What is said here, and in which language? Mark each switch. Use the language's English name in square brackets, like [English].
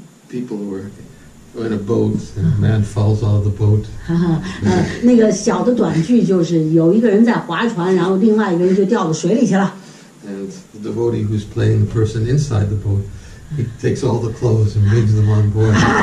[English] people were in a boat, and a man falls out of the boat. [Chinese] 那个小的短剧就是有一个人在划船，然后另外一个人就掉到水里去了。 [English] And the devotee who's playing the person inside the boat, he takes all the clothes and brings them on board.